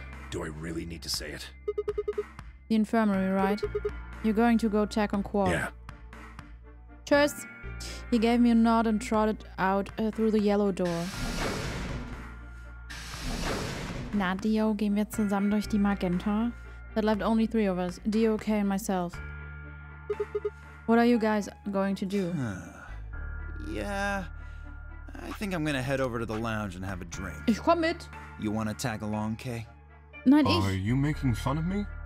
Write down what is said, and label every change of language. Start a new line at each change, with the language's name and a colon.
English: Do I really need to say it? The infirmary, right? You're going to go check on Quark. Yeah. Cheers. He gave me a nod and trotted out through the yellow door.
German: Na, Dio, gehen wir zusammen durch die Magenta?
English: That left only three of us, Dio, Kay, and myself. What are you guys going to do? Yeah, I think I'm gonna head over to the lounge and have a drink.
German: Ich komm mit.
English: You wanna tag along, Kay?
German: Nein, ich.
English: Are you making fun of me?